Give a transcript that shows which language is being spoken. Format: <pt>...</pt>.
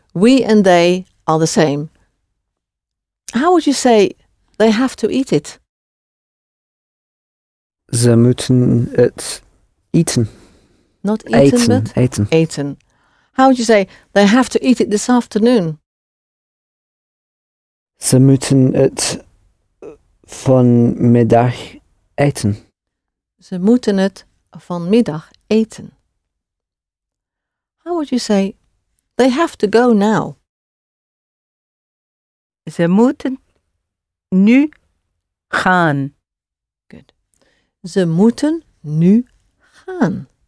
<en>We and they are the same. How would you say they have to eat it?</en> <nl>Ze moeten het eten.</nl> <en>Not eaten,</en> <nl>eten,</nl> <en>but eaten. How would you say they have to eat it this afternoon?</en> <nl>Ze moeten het vanmiddag eten. Ze moeten het vanmiddag eten.</nl> <en>How would you say, they have to go now?</en> <nl>Ze moeten nu gaan.</nl> <en>Good.</en> <nl>Ze moeten nu gaan.</nl>